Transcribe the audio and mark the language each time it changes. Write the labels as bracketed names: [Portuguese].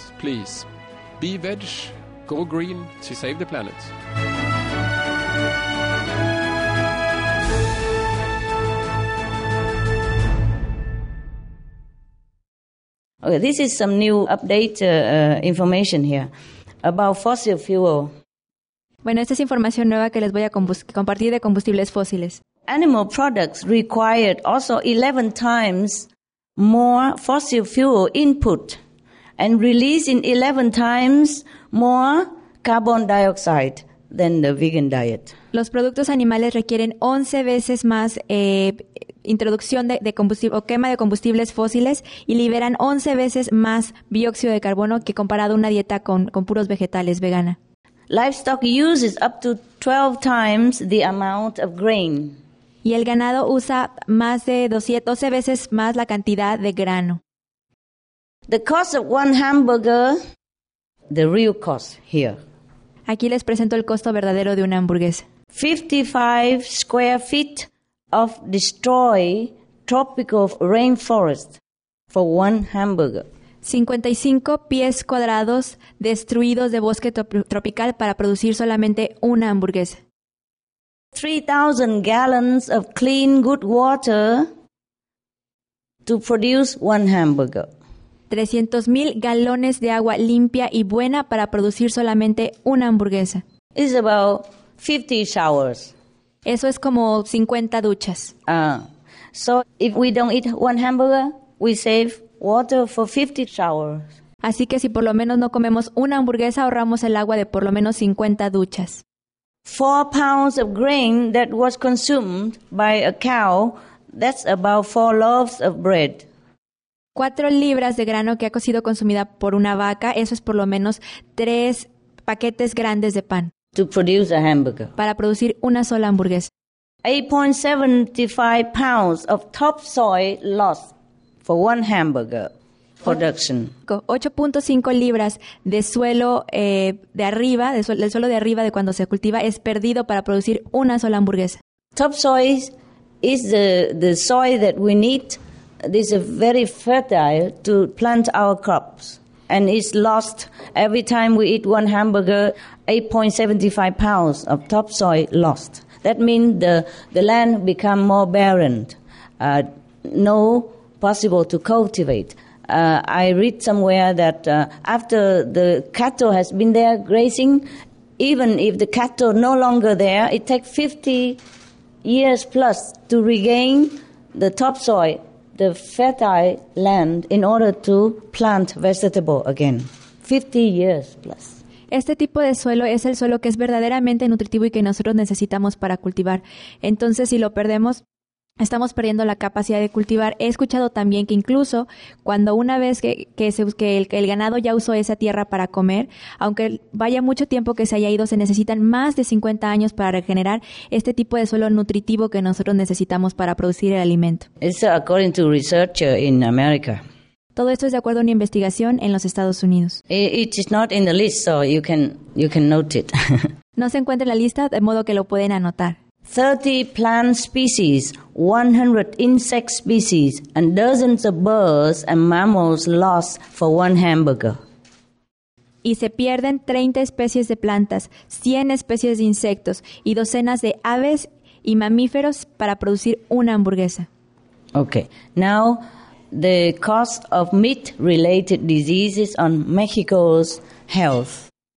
[English] Please, be veg, go green to save the planet. Okay, this is some new update information here about fossil fuel. [Spanish] Bueno, esta es información nueva que les voy a compartir de combustibles fósiles. [English] Animal products required also 11 times more fossil fuel input and releasing 11 times more carbon dioxide than the vegan diet. [Spanish] Los productos animales requieren 11 veces más introducción de combustible o quema de combustibles fósiles y liberan 11 veces más dióxido de carbono que comparado a una dieta con puros vegetales vegana. [English] Livestock uses up to 12 times the amount of grain. [Spanish] Y el ganado usa más de 12 veces más la cantidad de grano. [English] The cost of one hamburger, the real cost here. [Spanish] Aquí les presento el costo verdadero de una hamburguesa. [English] 55 square feet of destroyed tropical rainforest for one hamburger. [Spanish] 55 pies cuadrados destruidos de bosque tropical para producir solamente una hamburguesa. [English] 3,000 gallons of clean, good water to produce one hamburger. [Spanish] 300,000 galones de agua limpia y buena para producir solamente una hamburguesa. [English] It's about 50 showers. [Spanish] Eso es como 50 duchas. [English] So if we don't eat one hamburger, we save water for 50 showers. [Spanish] Así que si por lo menos no comemos una hamburguesa, ahorramos el agua de por lo menos 50 duchas. [English] 4 pounds of grain that was consumed by a cow, that's about 4 loaves of bread. [Spanish] 4 libras de grano que ha sido consumida por una vaca, eso es por lo menos 3 paquetes grandes de pan. [English] To produce a hamburger. [Spanish] Para producir una sola hamburguesa. [English] 8.75 pounds of topsoil lost for one hamburger production. [Spanish] 8.5 libras de suelo del suelo de arriba de cuando se cultiva es perdido para producir una sola hamburguesa. [English] Topsoil is the soil that we need. This is very fertile to plant our crops. And it's lost every time we eat one hamburger, 8.75 pounds of topsoil lost. That means the land become more barren, no possible to cultivate. I read somewhere that after the cattle has been there grazing, even if the cattle no longer there, it takes 50 years plus to regain the topsoil, the fertile land, in order to plant vegetable again. 50 years plus. [Spanish] Este tipo de suelo es el suelo que es verdaderamente nutritivo y que nosotros necesitamos para cultivar. Entonces, si lo perdemos, estamos perdiendo la capacidad de cultivar. He escuchado también que incluso cuando una vez que el ganado ya usó esa tierra para comer, aunque vaya mucho tiempo que se haya ido, se necesitan más de 50 años para regenerar este tipo de suelo nutritivo que nosotros necesitamos para producir el alimento. [English] It's according to research in America. [Spanish] Todo esto es de acuerdo a una investigación en los Estados Unidos. [English] It is not in the list, so you can note it. [Spanish] No se encuentra en la lista, de modo que lo pueden anotar. [English] 30 plant species, 100 insect species, and dozens of birds and mammals lost for one hamburger. [Spanish] Y se pierden 30 especies de plantas, 100 especies de insectos, y docenas de aves y mamíferos para producir una hamburguesa. [English] Okay, now the cost of meat-related diseases on Mexico's health.